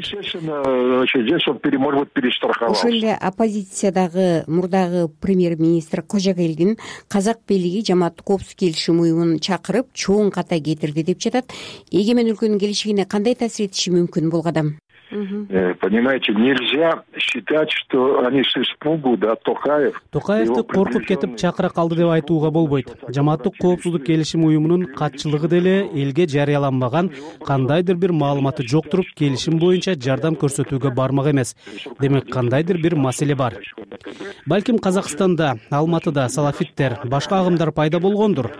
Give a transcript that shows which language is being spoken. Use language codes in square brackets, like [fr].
[ky] Ошол эле оппозициядагы мурдагы премьер-министр Кожогелдин казак бийлиги жамааттык коопсуздук келишим уюмун чакырып чоң ката кетирди деп жатат. Эгемен өлкөнүн келишигине кандай таасир этиши мүмкүн бул кадам? [ru] Понимаете, нельзя считать, что они с испугу, да, Токаев. [ky] Токаевди коркуп кетип чакыра калды деп айтууга болбойт. Жамааттык коопсуздук келишим уюмунун катчылыгы деле элге жарыяланбаган кандайдыр бир маалыматы жок туруп келишим боюнча жардам көрсөтүүгө бармак эмес. Демек, кандайдыр бир маселе бар. Балким Казакстанда, Алматыда салафиттер, башка агымдар пайда болгондур.